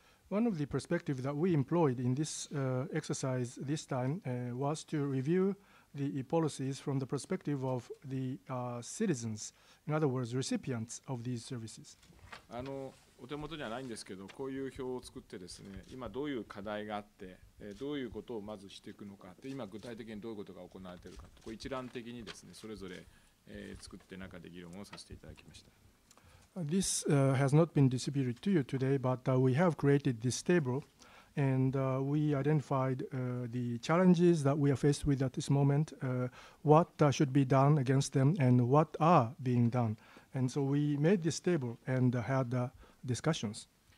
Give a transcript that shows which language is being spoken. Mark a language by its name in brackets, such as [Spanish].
[English] One of the perspectives that we employed in this exercise this time was to review the policies from the perspective of the citizens, in other words, recipients of these services. [Japanese] お手元にはないんですけど、こういう表を作ってですね、今どういう課題があって、どういうことをまずしていくのかって、今具体的にどういうことが行われているかと、こう一覧的にですね、それぞれ作って中で議論をさせていただきました。 [English] This has not been distributed to you today, but we have created this table, and we identified the challenges that we are faced with at this moment, what should be done against them, and what are being done. And so we made this table and had discussions.